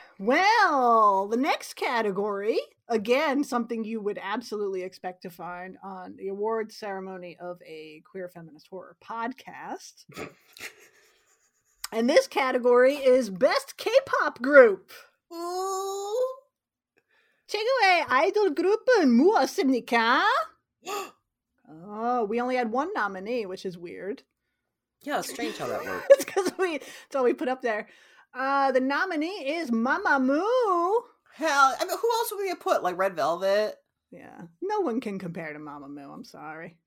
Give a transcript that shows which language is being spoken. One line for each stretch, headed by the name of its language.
English: Well, the next category, again, something you would absolutely expect to find on the awards ceremony of a queer feminist horror podcast. And this category is Best K-Pop Group. Ooh.
Korean: 최고의 아이돌 그룹은 무엇입니까?
English: Oh, we only had one nominee, which is weird. Yeah, strange how that works. It's because that's all we put up there. The nominee is Mamamoo. Hell, I mean, who else would we put? Like Red Velvet? Yeah. No one can compare to Mamamoo. I'm sorry.